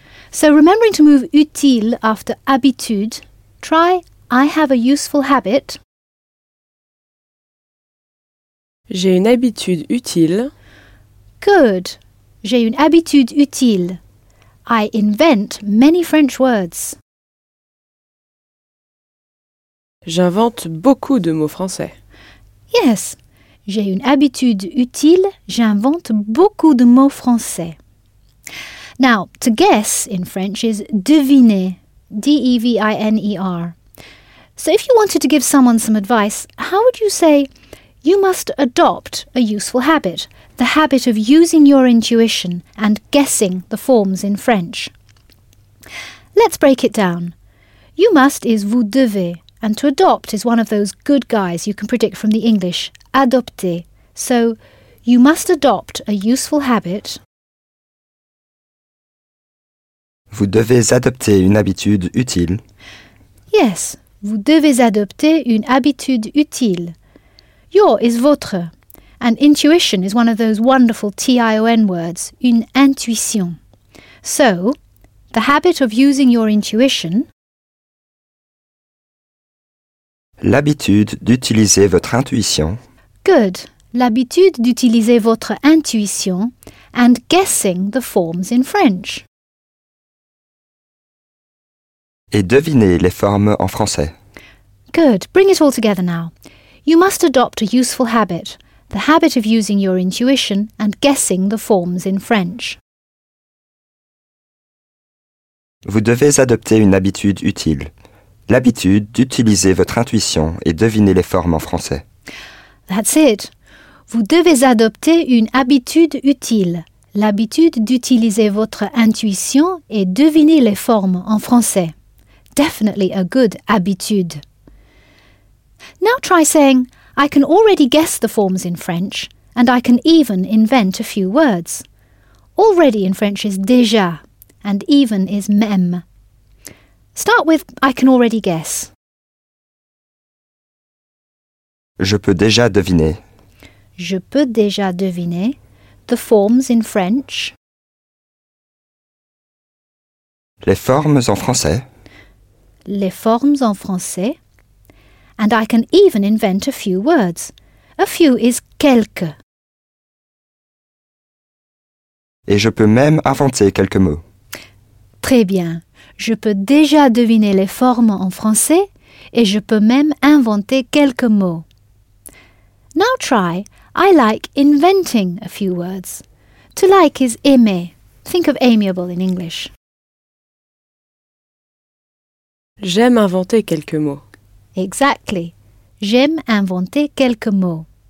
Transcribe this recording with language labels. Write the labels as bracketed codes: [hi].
[en] So remembering to move utile after habitude, try I have a useful habit. [fr] J'ai une habitude utile. Good. J'ai une habitude utile. [en] I invent many French words. [fr] J'invente beaucoup de mots français. [en] Yes. [fr] J'ai une habitude utile, j'invente beaucoup de mots français. [en] Now, to guess in French is deviner, D-E-V-I-N-E-R. So if you wanted to give someone some advice, how would you say, you must adopt a useful habit, the habit of using your intuition and guessing the forms in French? Let's break it down. You must is vous devez, and to adopt is one of those good guys you can predict from the English. Adopter. So, you must adopt a useful habit. [fr] Vous devez adopter une habitude utile. Yes, vous devez adopter une habitude utile. [en] Your is votre. And intuition is one of those wonderful T-I-O-N words, une intuition. So, the habit of using your intuition. [fr] L'habitude d'utiliser votre intuition. [en] Good. [fr] L'habitude d'utiliser votre intuition [en] and guessing the forms in French. [fr] Et deviner les formes en français. [en] Good. Bring it all together now. You must adopt a useful habit, the habit of using your intuition and guessing the forms in French. [fr] Vous devez adopter une habitude utile, l'habitude d'utiliser votre intuition et deviner les formes en français. [en] That's it. [fr] Vous devez adopter une habitude utile, l'habitude d'utiliser votre intuition et deviner les formes en français. [en] Definitely a good habitude. Now try saying, I can already guess the forms in French, and I can even invent a few words. Already in French is déjà, and even is même. Start with, I can already guess. [fr] Je peux déjà deviner. Je peux déjà deviner. [en] The forms in French. [fr] Les formes en français. Les formes en français. [en] And I can even invent a few words. A few is quelques. [fr] Et je peux même inventer quelques mots. Très bien. Je peux déjà deviner les formes en français et je peux même inventer quelques mots. [en] Now try, I like inventing a few words. To like is aimer. Think of amiable in English. [fr] J'aime inventer quelques mots. [en] Exactly. [fr] J'aime inventer quelques mots.